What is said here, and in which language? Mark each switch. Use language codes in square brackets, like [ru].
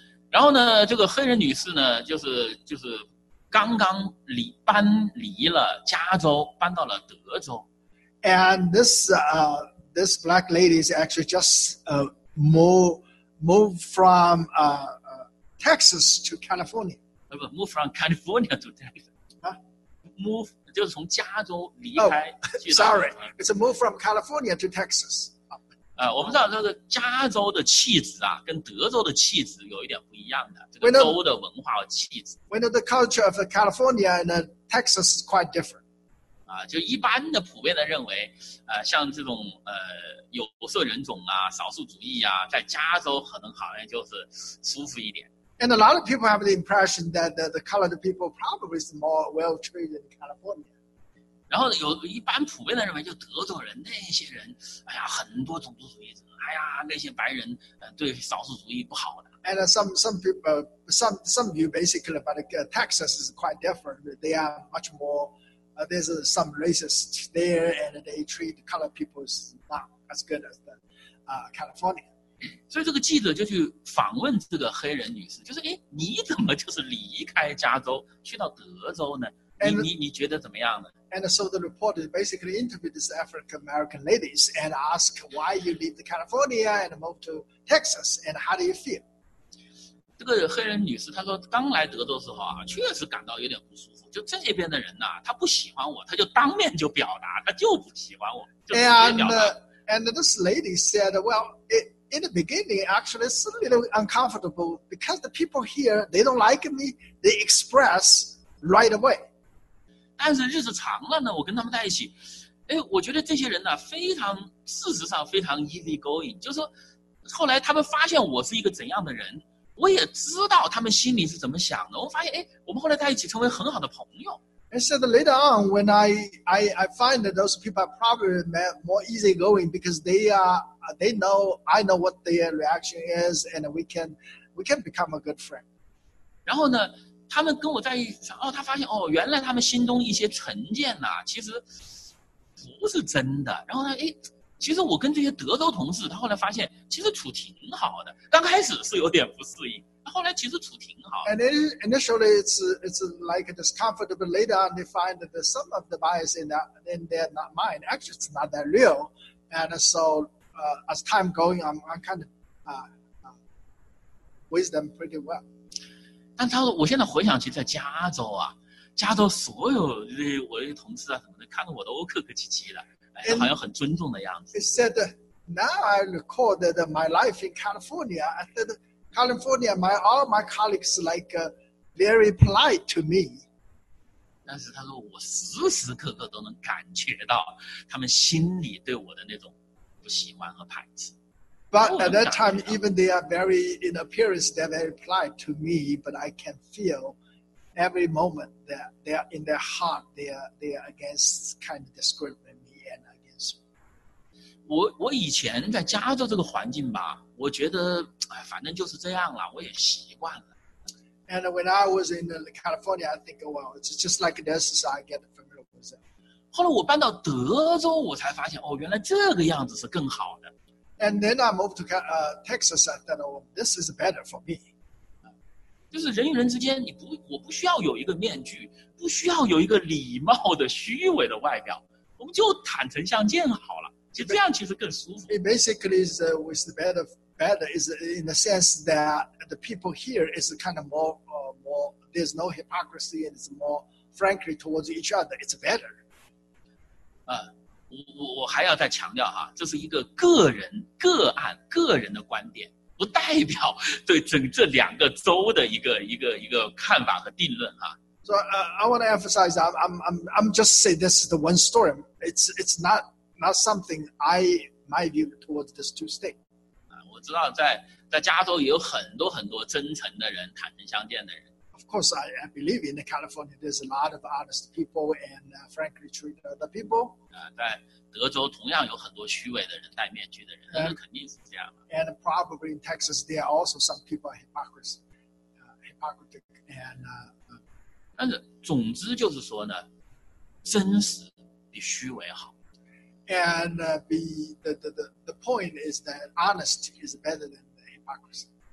[zh] 然后呢，这个黑人女士呢，就是刚刚搬离了加州，搬到了德州。 [en] And this black lady is actually just moved from Texas to California. Move from California to Texas. Move [zh] 就是从加州离开。 [en] Sorry, it's a move from California to Texas. [zh] 我们知道这个加州的气质啊，跟德州的气质有一点不一样的，这个州的文化和气质。 [en] We know the culture of California and Texas is quite different. [zh] 就一般的普遍的认为，像这种有色人种啊、少数主义啊，在加州可能好像就是舒服一点。 [en] And a lot of people have the impression that the colored people probably is more well treated in California. [zh] 然后有一般普遍的认为，就德州人那些人，哎呀，很多种族主义者，哎呀，那些白人，对少数主义不好的。 [en] And some people, some view basically, but Texas is quite different. They are much more, there's some racist there, and they treat colored people not as good as the, California. [zh] 所以这个记者就去访问这个黑人女士，就是，哎，你怎么就是离开加州去到德州呢？你觉得怎么样呢？ [en] And so the reporter basically interviewed this African-American ladies and asked why you leave the California and move to Texas and how do you feel? [zh] 这个黑人女士她说刚来德州的时候啊，确实感到有点不舒服。就这边的人呢，她不喜欢我，她就当面就表达，她就不喜欢我，就直接表达。 [en] And this lady said, well, in the beginning, actually, it's a little uncomfortable because the people here, they don't like me, they express right away. [zh] 但是日子长了呢，我跟他们在一起，哎，我觉得这些人呢，事实上非常 [en] easy going， [zh] 就是说，后来他们发现我是一个怎样的人，我也知道他们心里是怎么想的。我发现，哎，我们后来在一起成为很好的朋友。 [en] And so later on, when I find that those people are probably more easy going because I know what their reaction is, and we can become a good friend. [zh] 然后呢？他们跟我在一起，哦，他发现，哦，原来他们心中一些成见呐，其实不是真的。然后呢，哎，其实我跟这些德州同事，他后来发现其实处挺好的。刚开始是有点不适应，后来其实处挺好的。 [en] And then initially it's like a discomfort, but later on they find that some of the bias in their not mind actually it's not that real. And so as time going, I'm kind of with them pretty well. [zh] 但他说我现在回想起在加州啊，加州所有的我的同事啊什么的看着我都客客气气的，哎，好像很尊重的样子。 [en] He said, now I recall that my life in California, I said, California, all my colleagues like very polite to me. [zh] 但是他说我时时刻刻都能感觉到他们心里对我的那种不喜欢和排斥。 [en] But at that time, even they are very, in appearance, they're very polite to me, but I can feel every moment that they are in their heart, they are against kind of discriminating me and against me. [zh] 我以前在加州这个环境吧，我觉得，哎，反正就是这样了，我也习惯了。 [en] And when I was in California, I think, well, it's just like this, so I get familiar with it. [zh] 后来我搬到德州，我才发现，哦，原来这个样子是更好的。 [en] And then I moved to Texas. I thought, oh, this is better for me. [zh] 就是人与人之间，我不需要有一个面具，不需要有一个礼貌的虚伪的外表，我们就坦诚相见好了。其实这样其实更舒服。 [en] It basically is with better is in the sense that the people here is kind of more more, there's no hypocrisy, and it's more frankly towards each other, it's better. [zh] 我还要再强调啊，这是一个个人个案个人的观点，不代表对整这两个州的一个看法和定论啊。 [en] So I want to emphasize that I'm just say this is the one story. It's not something I my view towards these two states. [zh] 我知道在加州也有很多很多真诚的人，坦诚相见的人。 [en] Of course, I believe in California. There's a lot of honest people and frankly treat other people. [zh] 在德州同样有很多虚伪的人，戴面具的人，那肯定是这样的。 [en] And probably in Texas, there are also some people hypocritic and. [zh] 但是，总之就是说呢，真实比虚伪好。 [en] And the point is that honesty is better than hypocrisy.